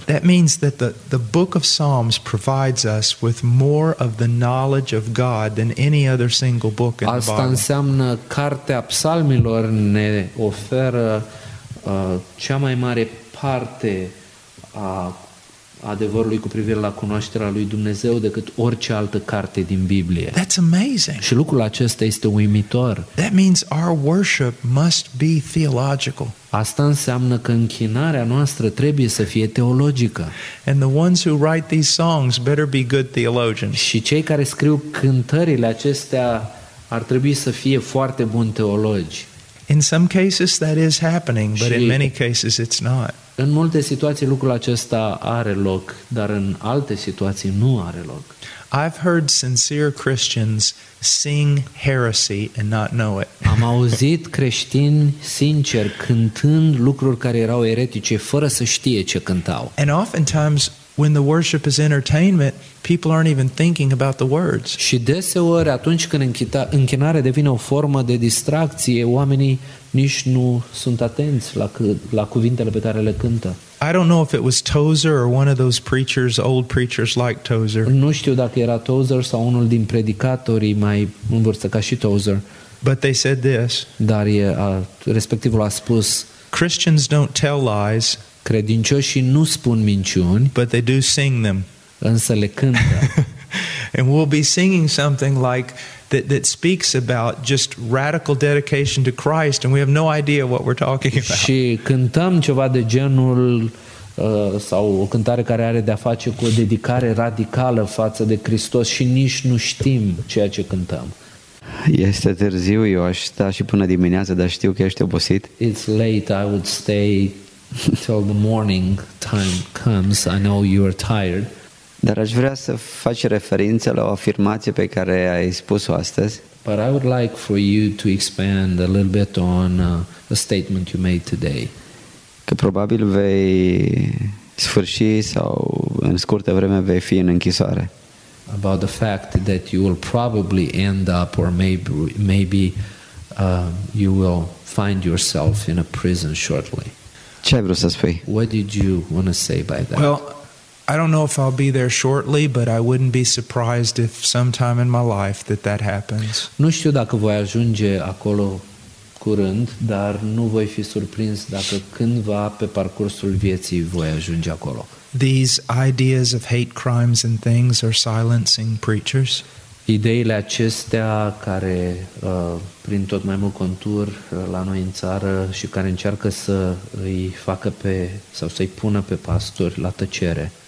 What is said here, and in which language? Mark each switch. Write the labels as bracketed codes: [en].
[en] That means that the book of Psalms provides us with more of the knowledge of God than any other single book in the Bible. [ro] Asta înseamnă cartea Psalmilor ne oferă cea mai mare parte a adevărului cu privire la cunoașterea lui Dumnezeu decât orice altă carte din Biblie. [en] That's amazing. [ro] Și lucrul acesta este uimitor. [en] That means our worship must be theological. [ro] Asta înseamnă că închinarea noastră trebuie să fie teologică. [en] And the ones who write these songs better be good theologians. [ro] Și cei care scriu cântările acestea ar trebui să fie foarte buni teologi. [en] In some cases that is happening, but in many cases it's not. [ro] În multe situații lucrul acesta are loc, dar în alte situații nu are loc. [en] I've heard sincere Christians sing heresy and not know it. [ro] Am auzit creștini sinceri cântând lucruri care erau eretice fără să știe ce cântau. [en] And oftentimes when the worship is entertainment, people aren't even thinking about the words. [ro] Și deseori atunci când închinarea devine o formă de distracție, oamenii nici nu sunt atenți la cuvintele pe care le cântă. [en] I don't know if it was Tozer or one of those preachers, old preachers like Tozer. [ro] Nu știu dacă era Tozer sau unul din predicatorii mai în vârstă ca și Tozer. [en] But they said this. [ro] Dar respectivul a spus: [en] Christians don't tell lies. [ro] Credincioșii nu spun minciuni. [en] But they do sing them. [ro] Însă le cântă. [en] And we'll be singing something like that speaks about just radical dedication to Christ, and we have no idea what we're talking about. [ro] Și cântăm ceva de genul sau o cântare care are de-a face cu o dedicare radicală față de Hristos și nici nu știm ceea ce cântăm. Este târziu, eu aș sta și până dimineață, dar știu că ești obosit. [en] It's late, I would stay till the morning time comes. I know you are tired. [ro] Dar aș vrea să faci referință la o afirmație pe care ai spus-o astăzi. [en] But I would like for you to expand a little bit on a statement you made today. [ro] Că probabil vei sfârși sau în scurtă vreme vei fi în închisoare. [en] About the fact that you will probably end up or maybe you will find yourself in a prison shortly. [ro] Ce ai vrut să spui? [en] What did you want to say by that? Well, I don't know if I'll be there shortly, but I wouldn't be surprised if sometime in my life that happens. [ro] Nu știu dacă voi ajunge acolo curând, dar nu voi fi surprins dacă cândva pe parcursul vieții voi ajunge acolo. [en] These ideas of hate crimes and things are silencing preachers. [ro] Ideile acestea care prin tot mai mult contur la noi în țară și care încearcă să îi facă pe sau să-i pună pe pastori la tăcere.